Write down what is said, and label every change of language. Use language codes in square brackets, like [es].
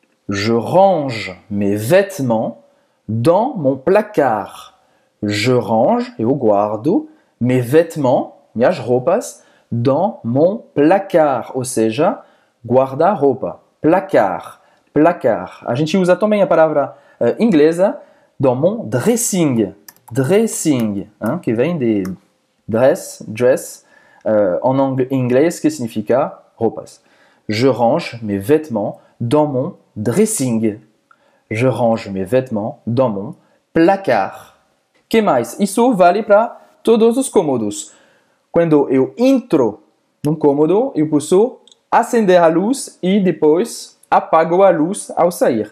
[fr] Je range mes vêtements dans mon placard. Je range, [pt] eu guardo, [fr] mes vêtements, [pt] minhas roupas, [fr] dans mon placard. [pt] Ou seja, guarda-roupa. Placard. A gente usa também a palavra inglesa [fr] dans mon dressing. dressing, hein, qui vient des dress en anglais, qui signifie ropas. Je range mes vêtements dans mon dressing. Je range mes vêtements dans mon placard. [pt] Que mais? Isso vale para todos os cômodos. Quando eu entro num cômodo, eu posso acender a luz e depois apago a luz ao sair.